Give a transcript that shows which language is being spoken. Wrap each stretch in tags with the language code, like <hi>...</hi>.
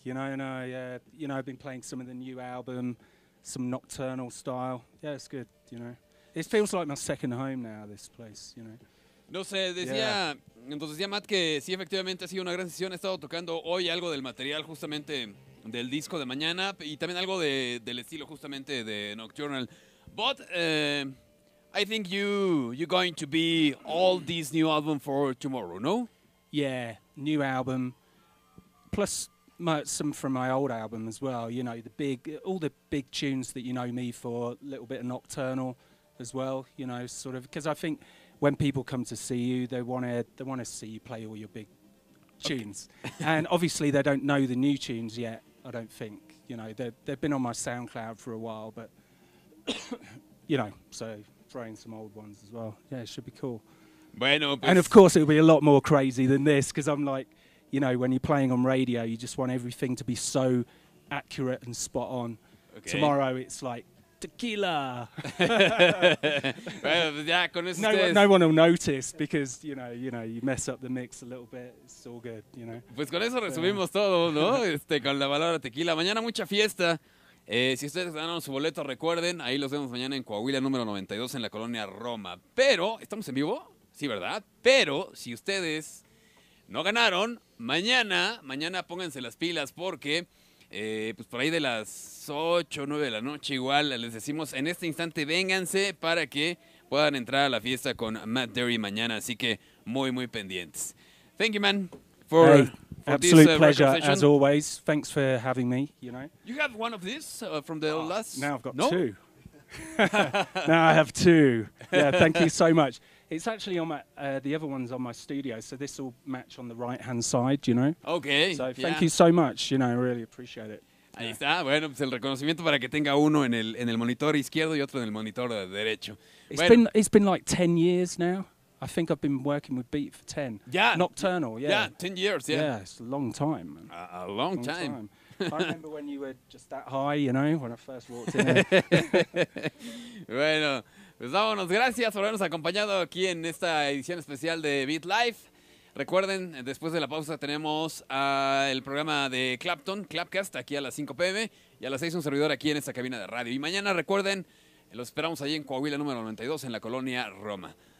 <en>You know, I've been playing some of the new album, some nocturnal style. Yeah, it's good, you know. It feels like my second home now, this place, you know.</en> <es>No sé, decía, entonces decía Matt que sí, efectivamente, ha sido una gran sesión. He estado tocando hoy algo del material justamente del disco de mañana y también algo del estilo justamente de Nocturnal.</es> <en>But I think you're going to be all this new album for tomorrow, no? Yeah, new album, plus some from my old album as well. You know, all the big tunes that you know me for, a little bit of Nocturnal as well, you know, sort of, because I think when people come to see you, they want to see you play all your big tunes. Okay. And obviously they don't know the new tunes yet, I don't think. You know, they've been on my SoundCloud for a while, but, you know, so throwing some old ones as well. Yeah, it should be cool.</en> <es>Bueno, pues.</es> <en>And of course it'll be a lot more crazy than this, because I'm like, you know, when you're playing on radio, you just want everything to be so accurate and spot on. Okay. Tomorrow it's like, tequila.</en> <es>Bueno, ya, con eso</es> <en>no one will notice because you know you mess up the mix a little bit, it's all good, you know.</en> <es>Pues con eso resumimos todo, ¿no? Con la palabra tequila. Mañana mucha fiesta. Si ustedes ganaron su boleto, recuerden, ahí los vemos mañana en Coahuila número 92 en la colonia Roma. Pero ¿estamos en vivo? Sí, ¿verdad? Pero si ustedes no ganaron, mañana pónganse las pilas porque pues por ahí de las 8 o 9 de la noche igual les decimos en este instante vénganse para que puedan entrar a la fiesta con Matt Derry mañana, así que muy muy pendientes.</es> <en>Thank you, man, for, hey, for absolute this, pleasure as always. Thanks for having me, you know. You have one of these from the last? Now I've got no? two. Now I have two. Yeah, thank you so much. It's actually on my the other one's on my studio, so this will match on the right hand side, you know. Okay. So thank you so much, you know, I really appreciate it.</en> <es>Ahí está, bueno, pues el reconocimiento para que tenga uno en el monitor izquierdo y otro en el monitor derecho.</es> <en>It's been like 10 years now. I think I've been working with Beat for 10. Yeah. Nocturnal, yeah. Yeah, 10 years, yeah. Yeah, it's a long time, man. A long time. I remember when you were just that high, you know, when I first walked in.</en> <es>Bueno. Pues vámonos, gracias por habernos acompañado aquí en esta edición especial de Beat Life. Recuerden, después de la pausa tenemos el programa de Clapton, Clapcast, aquí a las 5 p.m. y a las 6 un servidor aquí en esta cabina de radio. Y mañana, recuerden, los esperamos allí en Coahuila número 92 en la colonia Roma.</es>